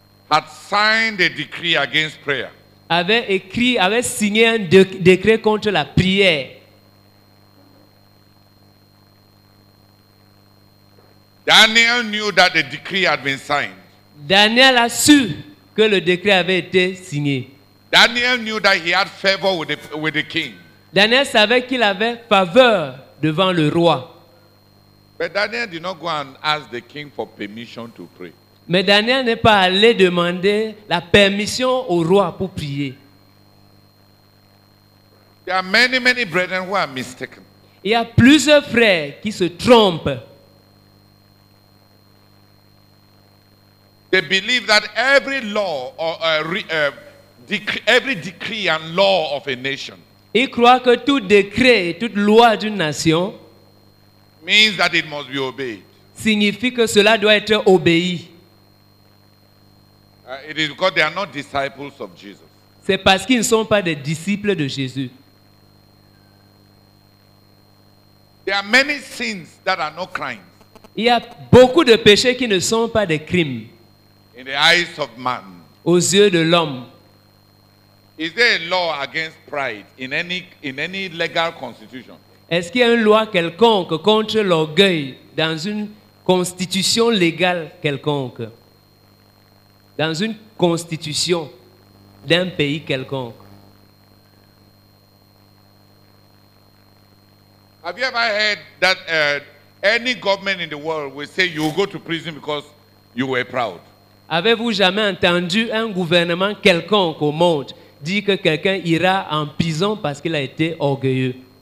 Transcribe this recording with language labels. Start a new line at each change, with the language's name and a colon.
English: Had signed a decree against prayer.
French: Avait signé un décret contre la prière.
English: Daniel knew that the decree had been signed.
French: Daniel a su que le décret avait été signé.
English: Daniel knew that he had favor with the king.
French: Daniel savait qu'il avait faveur devant le roi.
English: But Daniel did not go and ask the king for permission to pray.
French: Mais Daniel n'est pas allé demander la permission au roi pour prier.
English: There are many, many brethren who are mistaken.
French: Il y a plusieurs frères qui se trompent.
English: They believe that every law or every decree and law of a nation.
French: Ils croient que tout décret, toute loi d'une nation
English: means that it must be obeyed.
French: Signifie que cela doit être obéi.
English: It is because they are not disciples of Jesus.
French: C'est parce qu'ils ne sont pas des disciples de Jésus.
English: There are many sins that are not crimes.
French: Il y a beaucoup de péchés qui ne sont pas des crimes.
English: In the eyes of man.
French: Aux yeux de l'homme.
English: Is there a law against pride in any legal constitution?
French: Est-ce qu'il y a une loi quelconque contre l'orgueil dans une constitution légale quelconque? Dans une constitution d'un pays quelconque?
English: Have you ever heard that any government in the world will say you will go to prison because you were proud?
French: Avez-vous jamais entendu un gouvernement quelconque au monde dire que quelqu'un ira en prison parce qu'il a été orgueilleux?